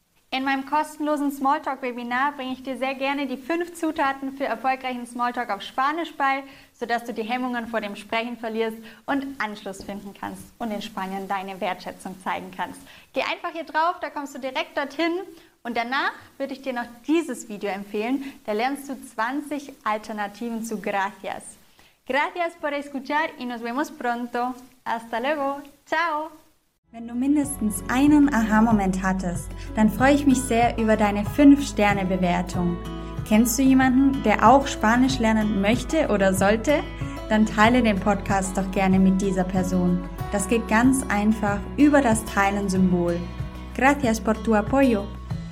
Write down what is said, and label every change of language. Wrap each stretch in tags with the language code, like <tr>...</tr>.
<de>In meinem kostenlosen Smalltalk-Webinar bringe ich dir sehr gerne die 5 Zutaten für erfolgreichen Smalltalk auf Spanisch bei, sodass du die Hemmungen vor dem Sprechen verlierst und Anschluss finden kannst und in Spanien deine Wertschätzung zeigen kannst. Geh einfach hier drauf, da kommst du direkt dorthin. Und danach würde ich dir noch dieses Video empfehlen. Da lernst du 20 Alternativen zu Gracias.</de> <es>Gracias por escuchar y nos vemos pronto. Hasta luego. Ciao.</es> <de>Wenn du mindestens einen Aha-Moment hattest, dann freue ich mich sehr über deine 5-Sterne-Bewertung. Kennst du jemanden, der auch Spanisch lernen möchte oder sollte? Dann teile den Podcast doch gerne mit dieser Person. Das geht ganz einfach über das Teilen-Symbol.</de> <es>Gracias por tu apoyo.</es>